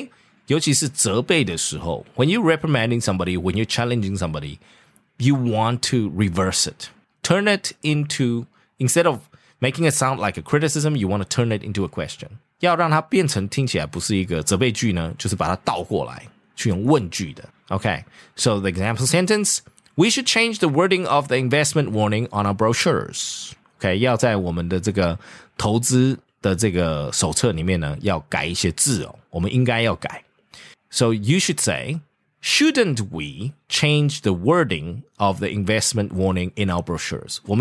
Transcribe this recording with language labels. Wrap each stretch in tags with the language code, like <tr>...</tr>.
<zh>所以转换负面问句哦，就是说，哎，尤其是责备的时候,</zh> <en>when you're reprimanding somebody, when you're challenging somebody, you want to reverse it, turn it into, instead of making it sound like a criticism, you want to turn it into a question.</en> <zh>要让它变成听起来不是一个责备句呢, 就是把它倒过来, 去用问句的, okay?</zh> <en>So the example sentence, we should change the wording of the investment warning on our brochures.</en> <zh>Okay, 要在我们的这个投资的这个手册里面呢, 要改一些字哦, 我们应该要改.</zh> <en>So you should say, shouldn't we change the wording of the investment warning in our brochures?</en>